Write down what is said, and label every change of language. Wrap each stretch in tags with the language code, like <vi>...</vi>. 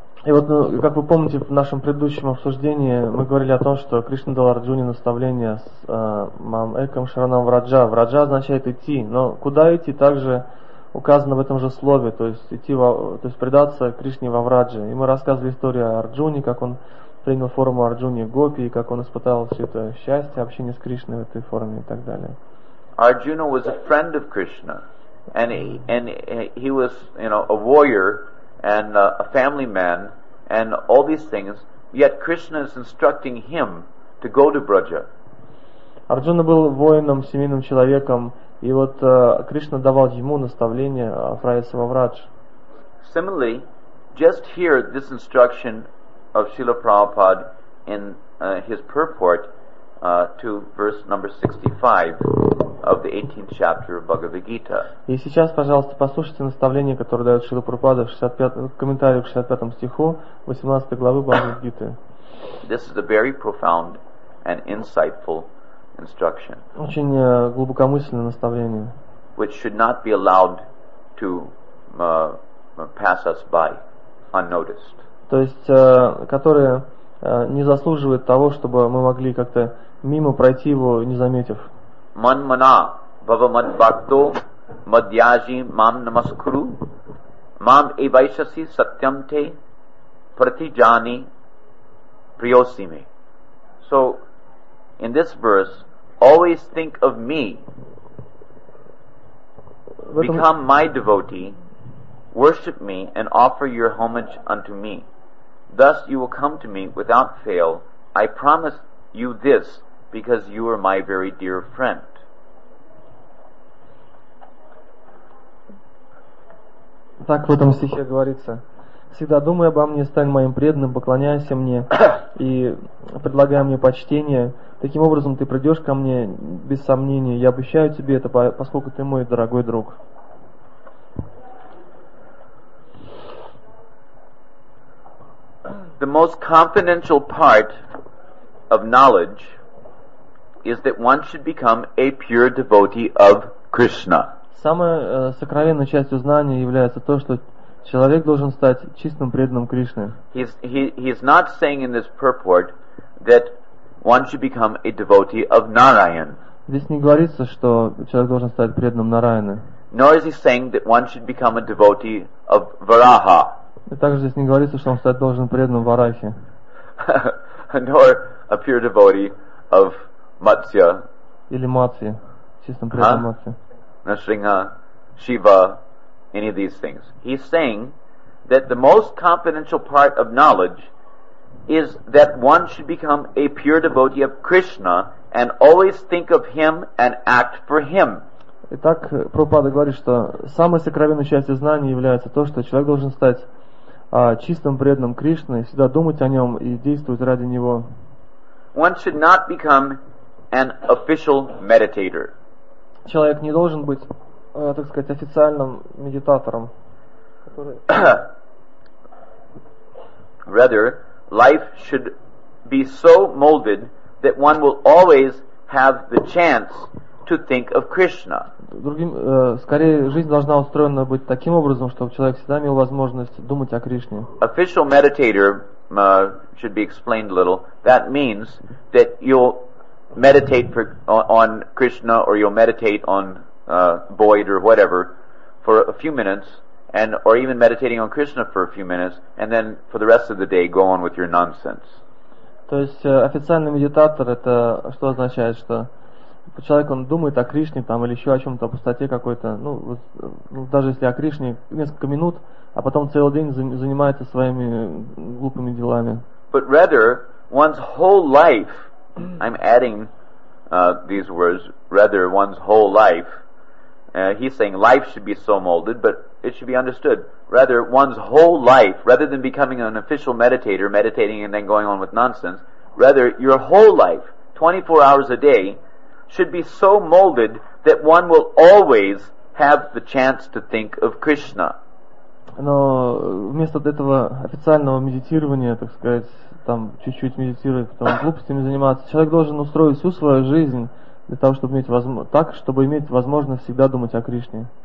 <ru>И вот, ну, как вы помните, в нашем предыдущем обсуждении мы говорили о том, что Кришна дал Арджуне наставление с</ru> <sa>«Мам Экам Шаранам Враджа».</sa> <ru>«Враджа» означает «идти», но куда идти также указано в этом же слове, то есть идти, то есть предаться Кришне во Врадже. И мы рассказывали историю о Арджуне, как он принял форму Арджуни Гопи, и как он испытал все это счастье, общение с Кришной в этой форме и так далее.</ru> <en>Arjuna was a friend of Krishna, and he was, you know, a warrior, and a family man, and all these things, yet Krishna is instructing him to go to Braja.</en> <ru>Arjuna был воином, семейным человеком, и вот Кришна давал ему наставление отправиться во Врадж.</ru> <en>Similarly, just hear this instruction of Srila Prabhupada in his purport, to verse number 65 of the 18th chapter of Bhagavad Gita.</en> <ru>И сейчас, пожалуйста, послушайте наставление, которое дает Шрила Прабхупада в 65 комментарии к 65 стиху 18 главы Бхагавад Гиты.</ru> <en>This is a very profound and insightful instruction.</en> <ru>Очень глубокомысленное наставление.</ru> <en>Which should not be allowed to pass us by unnoticed.</en> <ru>То есть, которое не заслуживает того, чтобы мы могли как-то мимо пройти его, не заметив.</ru> <sa>Ман мана бава мад бхакто мадьяжи мам намаскуру мам эйвайшаси сатьям те пратиджани приосиме.</sa> <en>So, in this verse, always think of me. Become my devotee, worship me, and offer your homage unto me. Thus you will come to me without fail. I promise you this because you are my very dear friend.</en> <ru>Так в этом стихе говорится. Всегда думай обо мне, стань моим преданным, поклоняйся мне и предлагай мне почтение. Таким образом ты придешь ко мне без сомнения. Я обещаю тебе это, поскольку ты мой дорогой друг.</ru> <en>The most confidential part of knowledge is that one should become a pure devotee of Krishna.</en> <ru>Самой сокровенной частью знания является то, что человек должен стать чистым преданным Кришне.</ru> <en>He's not saying in this purport that one should become a devotee of Narayan.</en> <ru>Здесь не говорится, что человек должен стать преданным Нараяны.</ru> <en>Nor is he saying that one should become a devotee of Varaha.</en> <ru>И также здесь не говорится, что он стать должен преданным Варахе.</ru> <en>Nor a pure devotee of Matsya.</en> <ru>Или Матсья, чистым преданным Матсья.</ru> <en>Nasringa, Shiva, any of these things. He's saying that the most confidential part of knowledge is that one should become a pure devotee of Krishna and always think of him and act for him.</en> <ru>Итак, Прабхупада говорит, что самой сокровенной частью знания является то, что человек должен стать чистым преданным Кришны, всегда думать о нем и действовать ради него.</ru> <en>One should not become an official meditator.</en> <ru>Человек не должен быть, так сказать, официальным медитатором.</ru> <en>Rather, life should be so molded that one will always have the chance to think of Krishna.</en> <ru>Скорее, жизнь должна устроена быть таким образом, чтобы человек всегда имел возможность думать о Кришне.</ru> <en>Official meditator should be explained a little. That means that you'll meditate on Krishna, or you'll meditate on Boyd or whatever for a few minutes, and or even meditating on Krishna for a few minutes, and then for the rest of the day go on with your nonsense.</en> <ru>То есть официальный медитатор — это что означает, что человек он думает о Кришне там или еще о чем-то, о пустоте какой-то, ну даже если о Кришне несколько минут, а потом целый день занимается своими глупыми делами.</ru> <en>But rather, one's whole life. I'm adding these words, rather one's whole life. He's saying life should be so molded, but it should be understood. Rather one's whole life, rather than becoming an official meditator, meditating and then going on with nonsense, rather your whole life, 24 hours a day, should be so molded that one will always have the chance to think of Krishna.</en> <ru>Но вместо этого официального медитирования, так сказать, там чуть-чуть медитировать, потом глупостями заниматься. Человек должен устроить всю свою жизнь для того, чтобы иметь так, чтобы иметь возможность всегда думать о Кришне.</ru>